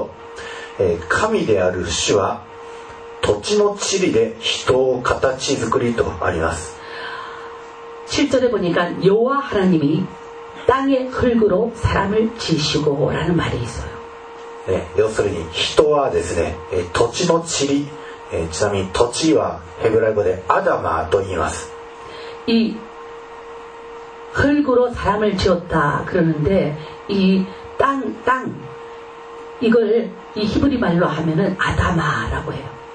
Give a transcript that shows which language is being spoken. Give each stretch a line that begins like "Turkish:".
Japanese: 7節の方を読みますと、神である主は 土地の塵で人を形作りとあります。
Korean: 7절에 보니까 여호와 하나님이 땅의 흙으로 사람을 지시고라는 말이 있어요.
Japanese: 네, 要するに人はですね、土地の塵、ちなみに土地はヘブライ語でアダマと言います。
Korean: 이 흙으로 사람을 지었다 그러는데 이 땅 이걸 이 히브리 말로 하면은 아다마라고 해요.